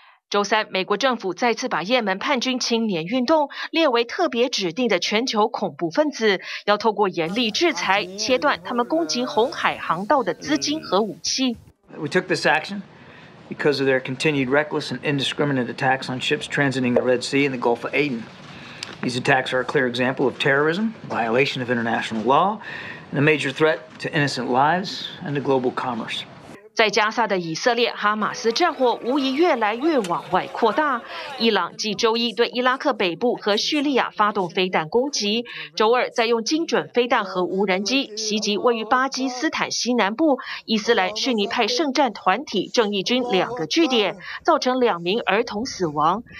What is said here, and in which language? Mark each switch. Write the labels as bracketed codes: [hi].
[zh] 周三，美国政府再次把也门叛军青年运动列为特别指定的全球恐怖分子，要透过严厉制裁切断他们攻击红海航道的资金和武器。 [en] We took this action because of their continued reckless and indiscriminate attacks on ships transiting the Red Sea and the Gulf of Aden. These attacks are a clear example of terrorism, violation of international law, and a major threat to innocent lives and to global commerce. [zh] 在加萨的以色列哈马斯战火无疑越来越往外扩大，伊朗继周一对伊拉克北部和叙利亚发动飞弹攻击，周二再用精准飞弹和无人机袭击位于巴基斯坦西南部伊斯兰逊尼派圣战团体正义军两个据点，造成两名儿童死亡。